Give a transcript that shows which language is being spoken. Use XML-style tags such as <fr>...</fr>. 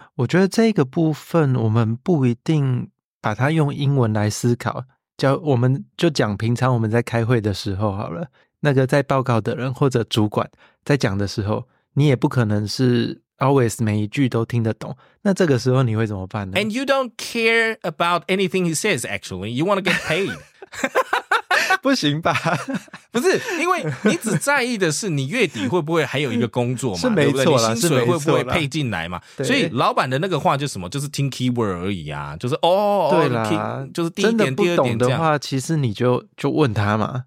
<zh>我觉得这个部分我们不一定把它用英文来思考，我们就讲平常我们在开会的时候好了，那个在报告的人或者主管在讲的时候，你也不可能是 always 每一句都听得懂，那这个时候你会怎么办呢？</zh> <en>And you don't care about anything he says actually, you want to get paid.</en> <zh>不行吧？不是，因为你只在意的是你月底会不会还有一个工作嘛，是没错啦，你薪水会不会配进来嘛？所以老板的那个话就是什么，就是听 keyword 而已啊，就是哦，对啦，就是第一点、第二点的话，其实你就问他嘛，</zh>